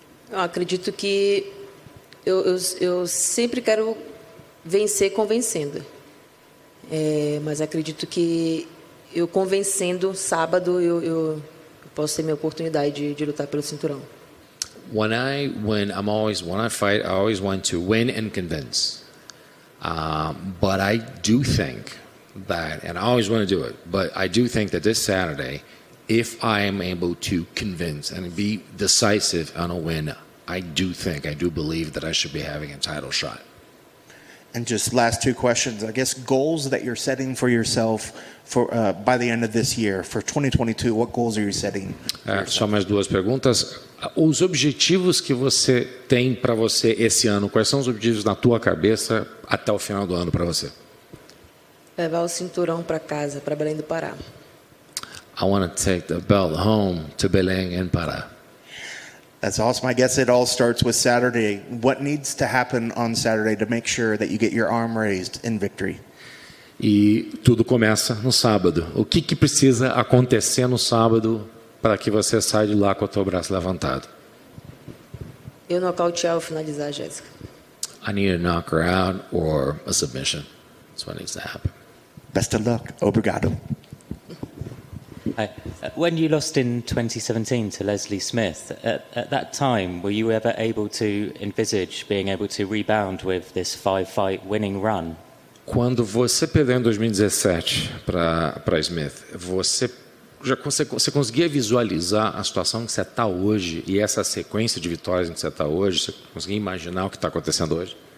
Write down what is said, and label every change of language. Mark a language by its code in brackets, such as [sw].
[pt] Eu acredito que eu sempre quero vencer convencendo. Mas acredito que eu convencendo sábado, eu posso ter minha oportunidade de lutar pelo cinturão. [en] When I fight, I always want to win and convince. But I do think that, and I always want to do it, but I do think that this Saturday, if I am able to convince and be decisive on a win, I do believe that I should be having a title shot. And just last two questions, I guess goals that you're setting for yourself for by the end of this year, for 2022, what goals are you setting? [pt] Só mais duas perguntas. Os objetivos que você tem para você esse ano, quais são os objetivos na tua cabeça até o final do ano para você? Levar o cinturão para casa, para Belém do Pará. [en] I want to take the belt home to Belém and Pará. That's awesome. I guess it all starts with Saturday. What needs to happen on Saturday to make sure that you get your arm raised in victory? [pt] E tudo começa no sábado. O que que precisa acontecer no sábado para que você saia de lá com o teu braço levantado? Eu nocautear ou finalizar, Jéssica. [en] I need to knock her out or a submission. That's what needs to happen. Best of luck. [pt] Obrigado. [en] Hi. When you lost in 2017 to Leslie Smith, at that time, were you ever able to envisage being able to rebound with this five-fight winning run? [pt] Quando você perdeu em 2017 para Smith, você conseguia visualizar a situação que você está hoje e essa sequência de vitórias em que você está hoje? Você conseguia imaginar o que está acontecendo hoje?